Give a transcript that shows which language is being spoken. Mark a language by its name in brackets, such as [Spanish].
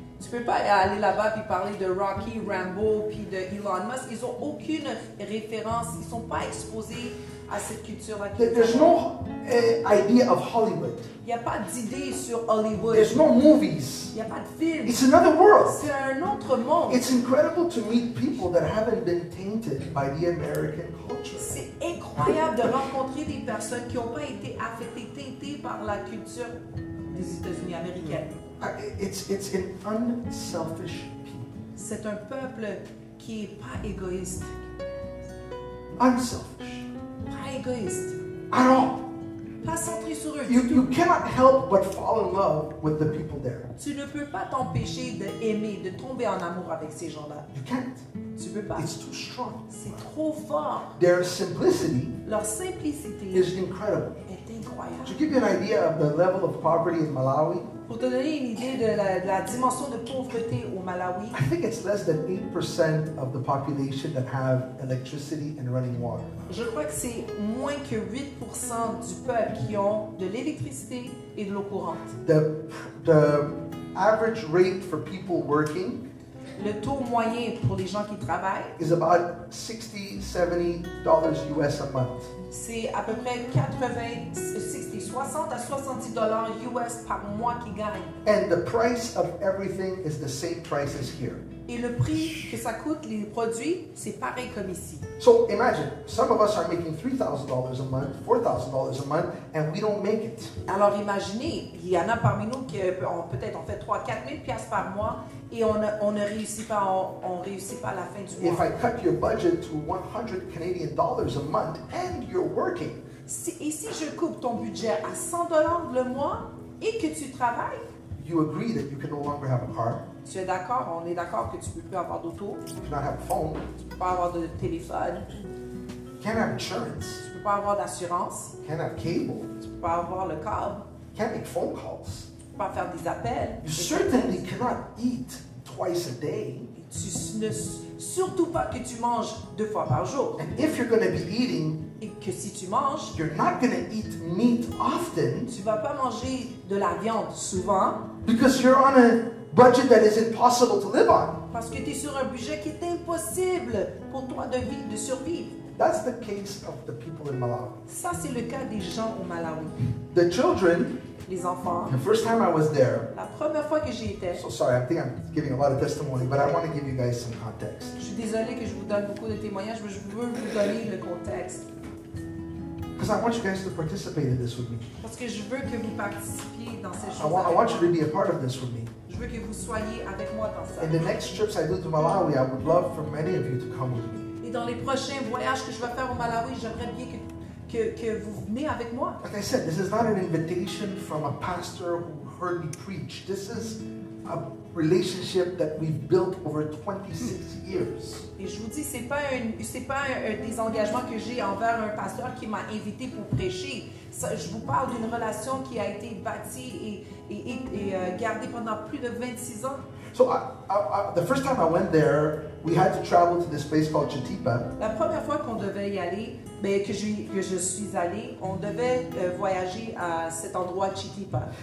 [French] Tu peux pas aller là-bas puis parler de Rocky, Rambo, puis de Elon Musk. Ils ont aucune référence. Ils sont pas exposés à cette culture. [English] There's no idea of Hollywood. [French] Il y a pas d'idée sur Hollywood. [English] There's no movies. [French] Il y a pas de films. [English] It's another world. [French] C'est un autre monde. [English] It's incredible to meet people that haven't been tainted by the American culture. [French] C'est incroyable de rencontrer des personnes qui ont pas été affectées, teintées par la culture des États-Unis américains. [English] It's an unselfish people. [French] C'est un peuple qui est pas égoïste. [English] Unselfish. [French] Pas égoïste. [English] At all. [French] Pas centré sur eux. [English] You cannot help but fall in love with the people there. [French] Tu ne peux pas t'empêcher de aimer, de tomber en amour avec ces gens-là. [English] You can't. [French] Tu peux pas. [English] It's too strong. [French] C'est trop fort. [English] Their simplicity. [French] Leur simplicité. [English] Is incredible. [French] Est incroyable. [English] To give you an idea of the level of poverty in Malawi. [French] Pour te donner une idée de la dimension de pauvreté au Malawi. [English] I think it's less than 8% of the population that have electricity and running water. [French] Je crois que c'est moins que 8% du peuple qui ont de l'électricité et de l'eau courante. [English] The average rate for people working. [French] Le taux moyen pour les gens qui travaillent. [English] Is about $60-$70 US a month. [French] C'est à peu près 60 à 70 dollars US par mois qu'ils gagnent. [English] And the price of everything is the same price as here. [French] Et le prix que ça coûte les produits, c'est pareil comme ici. [English] So imagine, some of us are making $3,000 a month, $4,000 a month, and we don't make it. [French] Alors imaginez, il y en a parmi nous qui peut-être on fait 3-4 000 piastres par mois et on ne réussit pas à la fin du mois. [English] If I cut your budget to 100 Canadian dollars a month and you're working. [French] Si je coupe ton budget à 100 dollars le mois et que tu travailles. [English] You agree that you can no longer have a car. [French] Tu es d'accord, on est d'accord que tu ne peux plus avoir d'auto. [English] You cannot have a phone. [French] Tu ne peux pas avoir de téléphone. [English] You can't have insurance. [French] Tu ne peux pas avoir d'assurance. [English] You can't have cable. [French] Tu ne peux pas avoir le câble. [English] You can't make phone calls. [French] Tu ne peux pas faire des appels. [English] You certainly cannot eat twice a day. [French] Tu ne surtout pas que tu manges deux fois par jour. [English] And if you're going to be eating, [French] et que si tu manges, [English] you're not going to eat meat often. [French] Tu ne vas pas manger de la viande souvent. [English] Because you're on a budget that is impossible to live on. [French] Parce que t'es sur un budget qui est impossible pour toi de vivre, de survivre. [English] That's the case of the people in Malawi. [French] Ça, c'est le cas des gens au Malawi. [English] The children. [French] Les enfants. [English] The first time I was there. [French] La première fois que j'y étais. [English] So sorry, I think I'm giving a lot of testimony, but I want to give you guys some context. [French] Je suis désolée que je vous donne beaucoup de témoignages, mais je veux vous donner le contexte. [English] Because I want you guys to participate in this with me. [French] Parce que je veux que vous participiez dans ces choses. [English] I want you to be a part of this with me. [French] Je veux que vous soyez avec moi dans ça. [English] In the next trips I do to Malawi, I would love for many of you to come with me. [French] Et dans les prochains voyages que je vais faire au Malawi, j'aimerais bien que vous venez avec moi. [English] Like I said, this is not an invitation from a pastor who heard me preach. This is a relationship that we've built over 26 years. [French] Et je vous dis, c'est pas un des engagements que j'ai envers un pasteur qui m'a invité pour prêcher. Ça, je vous parle d'une relation qui a été bâtie et gardée pendant plus de 26 ans. [English] So the first time I went there, we had to travel to this place called Chitipa. [French] La première fois qu'on devait y aller, que je suis allé, on devait voyager à cet endroit Chitipa.